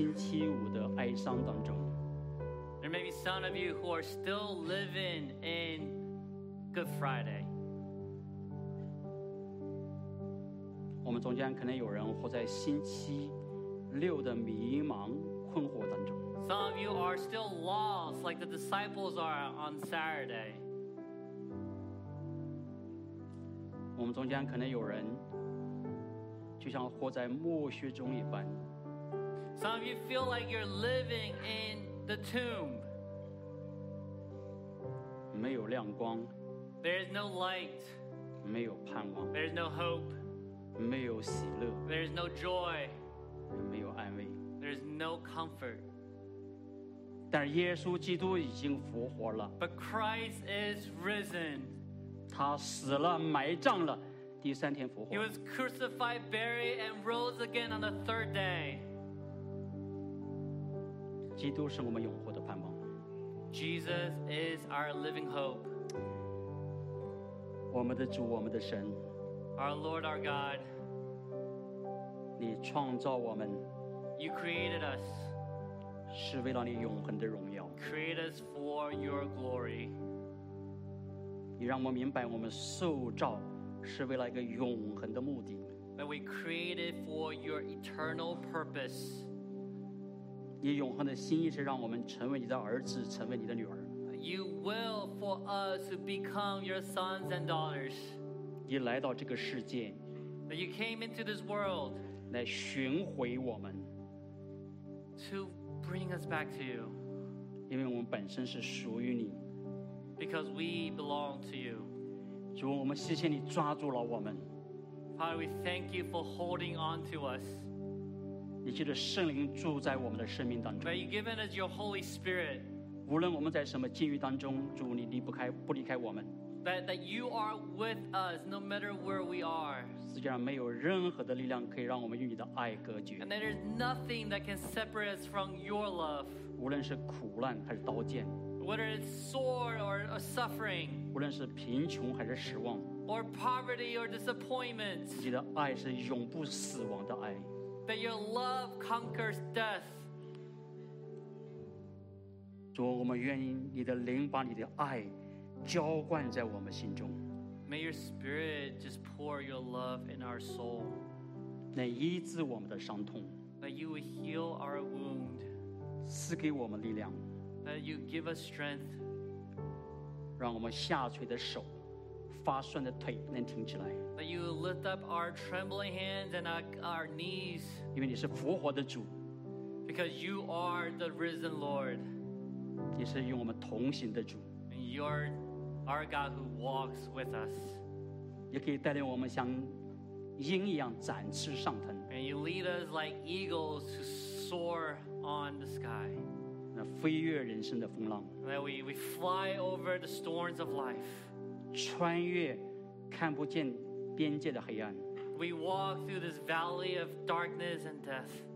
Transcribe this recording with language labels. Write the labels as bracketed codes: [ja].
[en] There may be some of you who are still living in Good Friday. [zh] 我们中间可能有人活在星期六的迷茫困惑当中。 [en] Some of you are still lost like the disciples are on Saturday. [zh] 我们中间可能有人就像活在墓穴中一般。 [en] Some of you feel like you're living in the tomb. [zh] 没有亮光。 [en] There is no light. [zh] 没有盼望。 [en] There is no hope. [zh] 没有喜乐。 [en] There is no joy. [zh] 没有安慰。 [en] There there is no comfort. [zh] 但耶稣基督已经复活了。 [en] But Christ is risen. [zh] 他死了，埋葬了，第三天复活。 [en] He was crucified, buried, and rose again on the third day. [zh] 基督是我们永活的盼望。 [en] Jesus is our living hope. [zh] 我们的主，我们的神。 [en] Our Lord, our God. [zh] 你创造我们。 [en] You created us. [zh] 是为了你永恒的荣耀。 [en] Create us for your glory. [zh] 你让我明白，我们受造是为了一个永恒的目的。 [en] But we created for your eternal purpose. [zh] 你永恒的心意是让我们成为你的儿子，成为你的女儿。 [en] You will for us to become your sons and daughters. [zh] 你来到这个世界。 [en] But you came into this world. [zh] 来寻回我们。 [en] Bring us back to you. [zh] 因为我们本身是属于你。 [en] Because we belong to you. [zh] 主，我们谢谢你抓住了我们。 [en] Father, we thank you for holding on to us. [zh] 你借着圣灵住在我们的生命当中。 [en] But you've given us your Holy Spirit. [zh] 无论我们在什么境遇当中，主，你离不开，不离开我们。 [en] That you are with us no matter where we are. [zh] 世界上没有任何的力量可以让我们与你的爱隔绝。 [en] And there is nothing that can separate us from your love. [zh] 无论是苦难还是刀剑。 [en] Whether it's sword or suffering. [zh] 无论是贫穷还是失望。 [en] Or poverty or disappointment. [zh] 你的爱是永不死亡的爱。 [en] That your love conquers death. [zh] 主，我们愿意你的灵把你的爱浇灌在我们心中。 [en] May your spirit just pour your love in our soul. [zh] 来医治我们的伤痛。 [en] That you will heal our wound. [zh] 赐给我们力量。 [en] That you give us strength. [zh] 让我们下垂的手，发酸的腿能挺起来。 [en] That you lift up our trembling hands and our knees. [zh] 因为你是复活的主。 [en] Because you are the risen Lord. [zh] 你是与我们同行的主。 [en] And you're our God who walks with us. [zh] 也可以带领我们像鹰一样展翅上腾。 [en] And you lead us like eagles to soar on the sky. [zh] 那飞越人生的风浪。 [en] That we fly over the storms of life. [zh] 穿越看不见边界的黑暗。 [en] We walk through this valley of darkness and death.